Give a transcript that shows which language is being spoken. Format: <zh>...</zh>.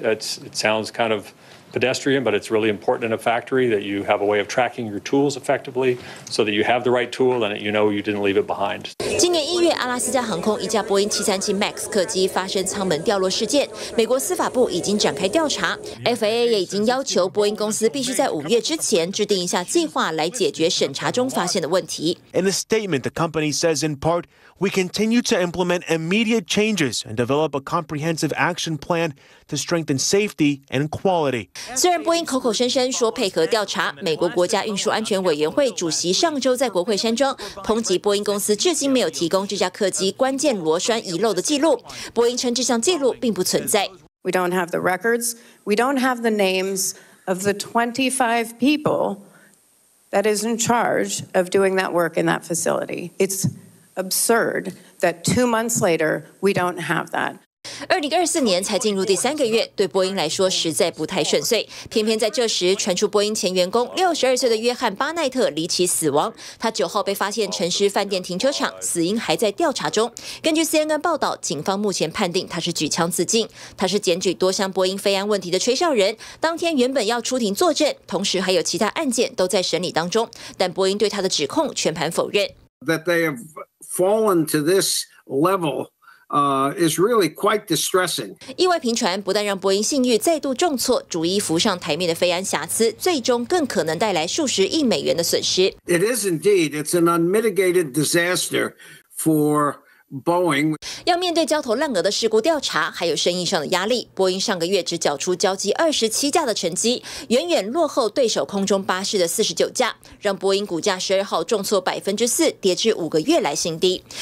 <en>It sounds kind of pedestrian, but it's really important in a factory that you have a way of tracking your tools effectively so that you have the right tool and you know you didn't leave it behind.</en> <zh>今年1月，阿拉斯加航空一架波音737 MAX 客机发生舱门掉落事件，美国司法部已经展开调查， FAA 也已经要求波音公司必须在5月之前制定一下计划来解决审查中发现的问题。</zh> <en>In a statement, the company says in part, we continue to implement immediate changes and develop a comprehensive action plan to strengthen safety and quality.</en> <zh>虽然波音口口声声说配合调查，美国国家运输安全委员会主席上周在国会山庄抨击波音公司至今没有提供这架客机关键螺栓遗漏的记录，波音称这项记录并不存在。</zh> <en>We don't have the records. We don't have the names of the 25 people that is in charge of doing that work in that facility. It's absurd that 2 months later we don't have that.</en> <zh>2024年才进入第三个月，对波音来说实在不太顺遂。偏偏在这时传出波音前员工62岁的约翰·巴奈特离奇死亡，他9号被发现沉尸饭店停车场，死因还在调查中。根据 CNN 报道，警方目前判定他是举枪自尽。他是检举多项波音飞安问题的吹哨人，当天原本要出庭作证，同时还有其他案件都在审理当中，但波音对他的指控全盘否认。</zh> <en>That they have fallen to this levelis really quite distressing.</en> <zh>意外频传，不但让波音信誉再度重挫，逐一浮上台面的飞安瑕疵，最终更可能带来数十亿美元的损失。</zh> <en>It is indeed. It's an unmitigated disaster for Boeing.</en> <zh>要面对焦头烂额的事故调查，还有生意上的压力，波音上个月只缴出交机27架的成绩，远远落后对手空中巴士的49架，让波音股价12号重挫4%，跌至5个月来新低。</zh>